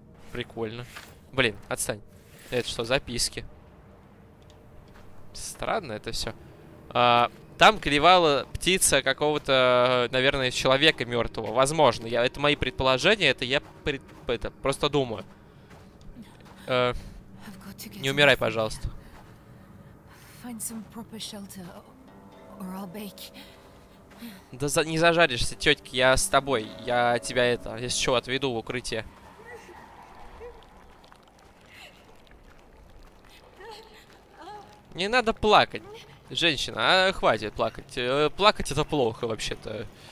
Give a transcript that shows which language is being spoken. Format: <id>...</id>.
<ru>Прикольно. Блин, отстань. Это что, записки? Странно это все. А, там клевала птица какого-то, наверное, человека мертвого. Возможно. Я, это мои предположения, это я это, просто думаю. Не умирай, пожалуйста.</ru> <en>Find some proper shelter, or I'll bake.</en> <ru>Да за, не зажаришься, тетки, я с тобой. Я тебя это, если что, отведу в укрытие. Не надо плакать, женщина, а хватит плакать. Плакать это плохо вообще-то.</ru>